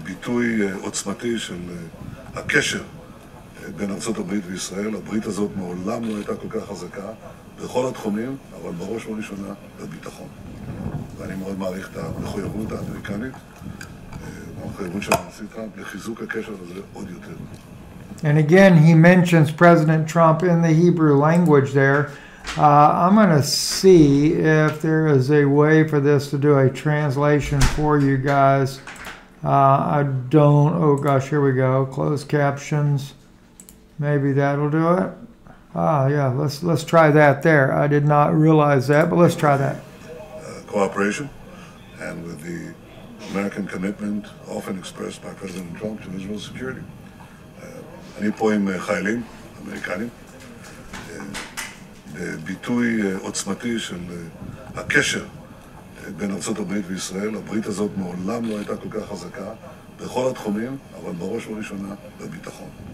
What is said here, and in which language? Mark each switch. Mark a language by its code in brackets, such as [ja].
[he] ביטוי עוצמתי של הקשר בין ארצות הברית וישראל. הברית הזאת מעולם לא הייתה כל כך חזקה בכל התחומים, אבל בראש ובראשונה בביטחון. ואני מאוד מעריך את המחויבות האמריקנית, המחויבות של הנשיא טראמפ לחיזוק הקשר הזה עוד יותר. [en] And again, he mentions President Trump in the Hebrew language there. I'm going to see if there is a way for this to do a translation for you guys. Here we go. Closed captions. Maybe that'll do it. Let's try that there. I did not realize that, but let's try that. Cooperation and with the American commitment often expressed by President Trump to Israel's security. [he] אני פה עם חיילים אמריקנים. בביטוי עוצמתי של הקשר בין ארצות הברית וישראל, הברית הזאת מעולם לא הייתה כל כך חזקה בכל התחומים, אבל בראש ובראשונה בביטחון.